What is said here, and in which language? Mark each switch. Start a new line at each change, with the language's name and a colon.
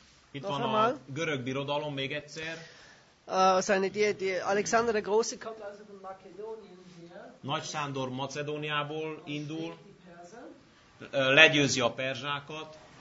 Hungarian: Itt van a görög birodalom még egyszer.
German: Alexander der Große kommt also von Makedonien her.
Hungarian: Nagy Sándor Macedóniából indul. Legyőzi a perzsákat.